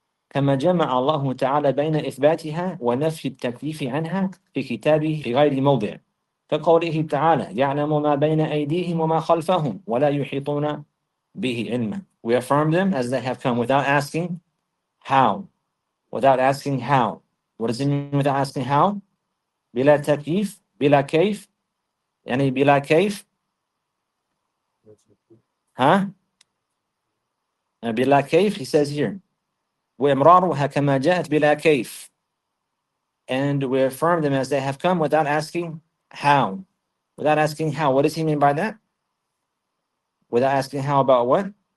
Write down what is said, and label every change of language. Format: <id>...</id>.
<ar>كما جمع الله تعالى بين إثباتها ونفي التكليف عنها في كتابه في غير موضع فقوله تعالى يعلم ما بين أيديهم وما خلفهم ولا يحيطون به علما.</ar> <en>We affirm them as they have come without asking how. Without asking how. What does it mean without asking how?</en> <ar>بلا تكليف بلا كيف يعني بلا كيف ها huh? بلا كيف</ar> <en>he says here.</en> <ar>وَإِمْرَارُهَا كَمَا جَاءَتْ بِلَا كَيْفٍ.</ar> <en>And we affirm them as they have come without asking how. Without asking how. What does he mean by that? Without asking how about what?</en>